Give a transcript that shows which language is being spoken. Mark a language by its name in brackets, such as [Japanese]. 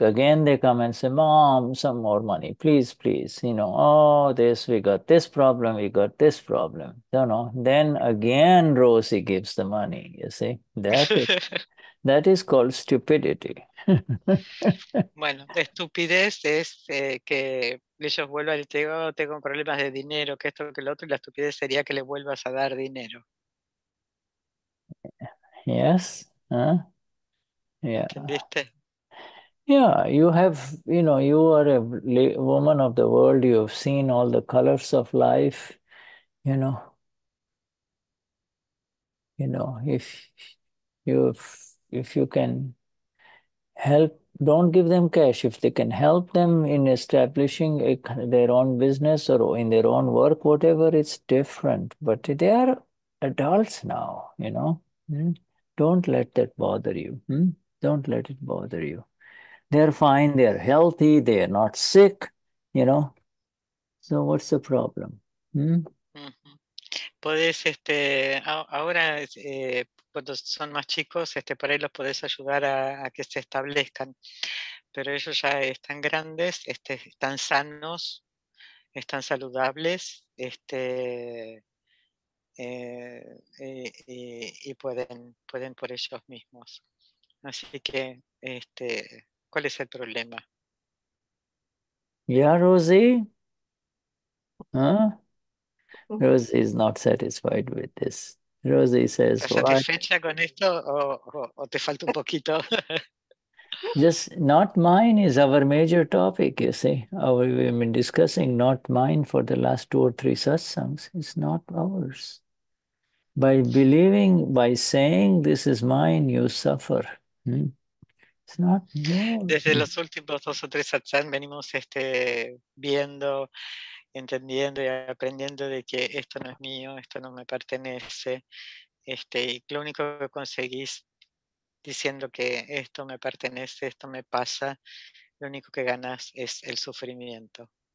[English] Again, they come and say, Mom, some more money, please, please. You know, oh, this, we got this problem, we got this problem. You know, then again, Rosie gives the money, you see. That is called stupidity. [Spanish] Bueno, estupidez es que ellos vuelvan y te digan, oh, tengo problemas de dinero, que esto, que lo otro, y la estupidez sería que le vuelvas a dar dinero. [English] Yes, [Spanish] ¿Entendiste? [English] Yeah, you have, you know, you are a woman of the world, you have seen all the colors of life, you know. You know, if you can help, don't give them cash. If they can help them in establishing their own business or in their own work, whatever, it's different. But they are adults now, you know. Don't let that bother you. Don't let it bother you. They're fine, they're healthy, they're not sick, you know. So what's the problem? [Spanish] Podés, ahora, cuando son más chicos, por ahí los podés ayudar a que se establezcan. Pero ellos ya están grandes, están sanos, están saludables, y pueden por ellos mismos. Así que, ¿cuál es el problema? [English] Yeah, Rosie? Rosie is not satisfied with this. Rosie says, [Spanish] ¿estás satisfecha con esto o te falta un poquito? [English] Just not mine is our major topic, you see. We've been discussing not mine for the last two or three satsangs. It's not ours. By believing, by saying this is mine, you suffer. It's not yours. [Spanish] Desde los últimos dos o tres satsangs venimos viendo, entendiendo y aprendiendo de que esto no es mío, esto no me pertenece. Y lo único que conseguís diciendo que esto me pertenece, esto me pasa, lo único que ganás es el sufrimiento.